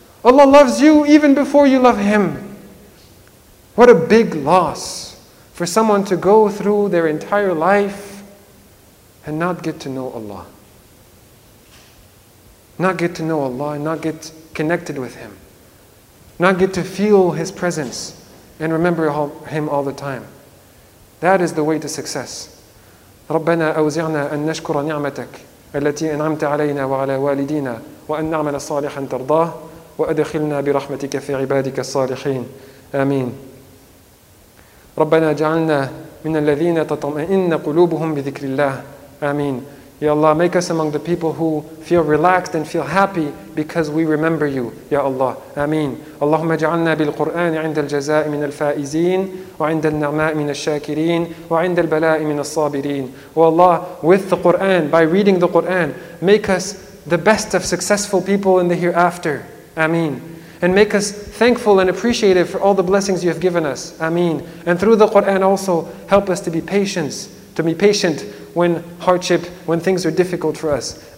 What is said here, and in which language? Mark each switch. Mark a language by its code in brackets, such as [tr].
[en] Allah loves you even before you love Him. What a big loss for someone to go through their entire life and not get to know Allah. Not get to know Allah and not get connected with Him. Not get to feel His presence and remember Him all the time. That is the way to success. [ar] ربنا أوزعنا أن نشكر نعمتك التي أنعمت علينا وعلى والدينا وأن نعمل صالحا ترضاه وأدخلنا برحمتك في عبادك الصالحين آمين ربنا جعلنا من الذين تطمئن قلوبهم بذكر الله آمين يا الله [en] make us among the people who feel relaxed and feel happy because we remember you [ar] يا الله آمين اللهم جعلنا بالقرآن عند الجزاء من الفائزين وعند النعماء من الشاكرين وعند البلاء من الصابرين والله [en] with the Quran by reading the Quran make us the best of successful people in the hereafter Ameen. And make us thankful and appreciative for all the blessings you have given us. Ameen. And through the Quran also, help us to be patient when hardship, when things are difficult for us.